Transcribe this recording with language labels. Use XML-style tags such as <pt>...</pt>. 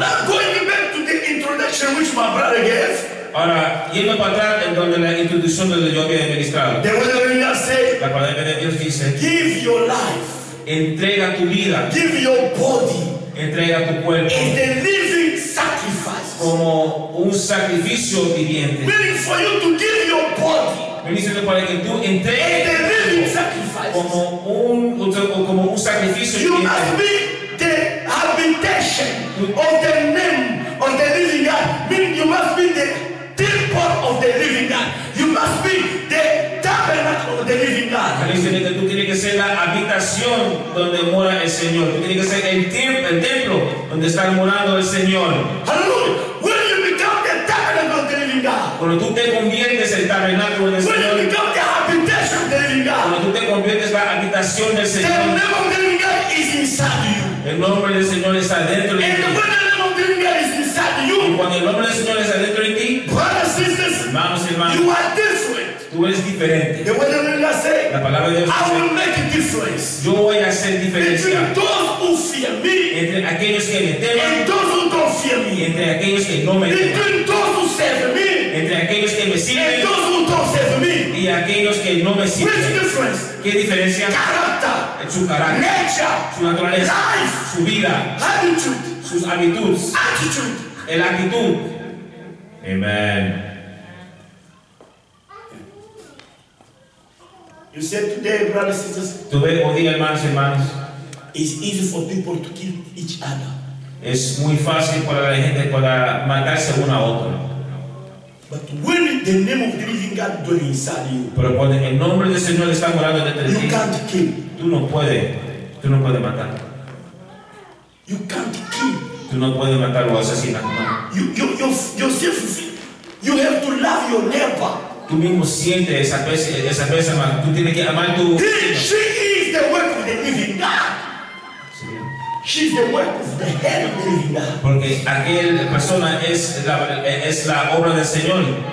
<en>Not going back to the introduction which my brother gave.</en> <es>Ahora, yendo para atrás en donde la introducción de Dios había ministrado. La palabra de Dios dice,</es> <en>give your life.</en> <es>Entrega tu vida.</es> <en>Give your body.</en> <es>Entrega tu cuerpo.</es> <en>In the living sacrifice.</en> <es>Como un sacrificio viviente.</es> <en>Meaning for you to give your body.</en> <es>Ministro para que tú entregues.</es> <en>In the living sacrifice.</en> <es>Como un sacrificio viviente.</es> <en>You must be the habitation of the name of the living God. Meaning you must be the temple of the living God. You must be the tabernacle of the living God.</en> <es>Tú tienes que ser la habitación donde mora el Señor. Tiene que ser el templo donde está morando el Señor.</es> <en>Hallelujah. When you become the tabernacle of the living God.</en> <es>Cuando tú te conviertes el tabernáculo del Señor.</es> <en>When you become the habitation of the living God.</en> <es>Cuando tú te conviertes la habitación del Señor.</es> <en>The name of the living God is inside you.</en> <es>El nombre del Señor está dentro de ti.</es> <en>When the name of the living God is inside you.</en> <es>Y cuando el nombre del Señor está dentro de ti.</es> <en>Brothers, sisters,</en> <es>vamos, hermanos.</es> <en>You are different.</en> <es>Tú eres diferente.</es> <en>The word of God say,</en> <es>la palabra de Dios dice,</es> <en>I will make a difference.</en> <es>Yo voy a hacer diferencia.</es> <en>Between those who fear me,</en> <es>entre aquellos que me temen.</es> <en>And those who don't fear me,</en> <es>entre aquellos que no me</es> <en>between</en> <es>temen.</es> <en>Between those who serve me,</en> <es>entre aquellos que me sirven.</es> <en>And those who don't serve me,</en> <es>y aquellos que no me sirven.</es> <en>Which difference?</en> <es>¿Qué diferencia?</es> <en>Character.</en> <es>En su carácter.</es> <en>Nature.</en> <es>Su naturaleza.</es> <en>Life.</en> <es>Su vida.</es> <en>Attitude.</en> <es>Sus habitudes.</es> <en>Attitude.</en> <es>El actitud. Amen.</es> <en>You said today, brothers and sisters. Today,</en> <es>hoy día, hermanos y hermanas.</es> <en>It's easy for people to kill each other.</en> <es>Es muy fácil para la gente para matarse uno a otro.</es> <en>But when the name of the living God dwells inside you.</en> <es>Pero cuando el nombre del Señor está morando dentro de ti.</es> <en>You can't kill.</en> <es>Tú no puedes matar.</es> <en>You can't kill.</en> <es>Tú no puedes matar o asesinar. No.</es> <en>You have to love your neighbor.</en> <es>Tú mismo sientes esa persona, man. Tú tienes que amar tu.</es> <en>She is the work of the living God. She is the work of the head of the living God.</en> <es>Porque aquel persona es la obra del Señor.</es>